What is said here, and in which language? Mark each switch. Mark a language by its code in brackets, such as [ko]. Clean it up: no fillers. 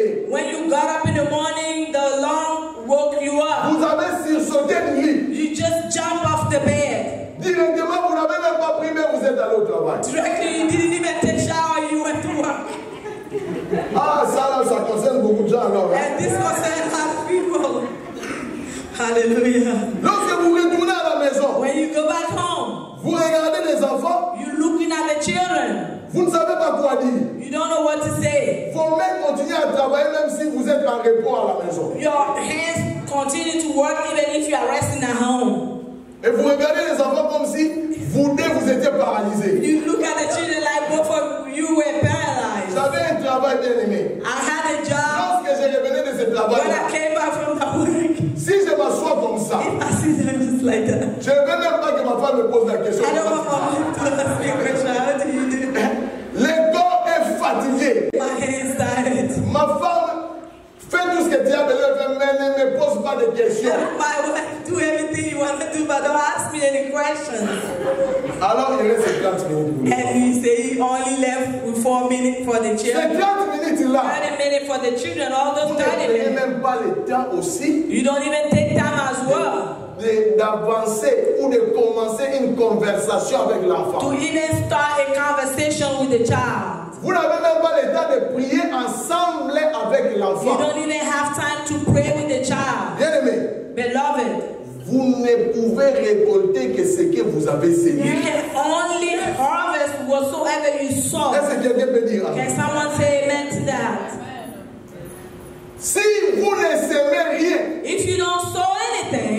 [en] When you got up in the morning, the alarm woke you up. [fr] Vous avez sursauté du lit. [en] You just jump off the bed. [fr] Directement, vous n'avez même pas pris, mais vous êtes allé au travail. [en] Directly, you didn't even take a shower, you went to work. [fr] Ah, ça là, ça concerne beaucoup de gens, alors. [en] And this concerns a lot of people. Hallelujah. [fr] Lorsque vous retournez à la maison, [en] when you go back home, [fr] vous regardez les enfants, [en] you're looking at the children. [fr] Vous ne savez pas quoi dire. [en] You don't know what to say. [fr] Vos mains continuent à travailler même si vous êtes en repos à la maison. [en] Your hands continue to work even if you are resting at home. [fr] Et vous regardez les enfants comme si vous étiez paralysé. [en] You look at the children like both of you were paralyzed. [fr] J'avais un travail bien aimé. [en] I had a job. [fr] Lorsque je revenais de ce travail, [en] when I came back from the work, [fr] si je m'assois comme ça, [en] if I sit down just like that, [fr] je ne veux même pas que ma femme me pose la question. [en] I don't want my mom to ask me a question. How do you do? [fr] Le corps est fatigué. [en] My hands died. [fr] Ma femme fait tout ce que tu as besoin, mais ne me pose pas de questions. [en] My wife do everything you want to do, but don't ask me any questions. [fr] Alors il reste 30 minutes. [en] And he say he only left with 4 minutes for the children. [fr] 30 minutes là. [en] 30 minutes for the children. All those 30 minutes. [fr] Tu ne prends même pas le temps aussi. [en] You don't even take time as well. [fr] D'avancer ou de commencer une conversation avec l'enfant. [en] To even start a conversation with the child. [fr] Vous n'avez même pas le temps de prier ensemble avec l'enfant. [en] You don't even have time to pray with the child. [fr] Bien aimé. [en] Beloved. [fr] Vous ne pouvez récolter que ce que vous avez semé. [en] You can only harvest whatsoever you sow. [fr] Est-ce que quelqu'un peut dire? [en] Can someone say amen to that? [fr] Si vous ne semez rien, [en] if you don't sow anything,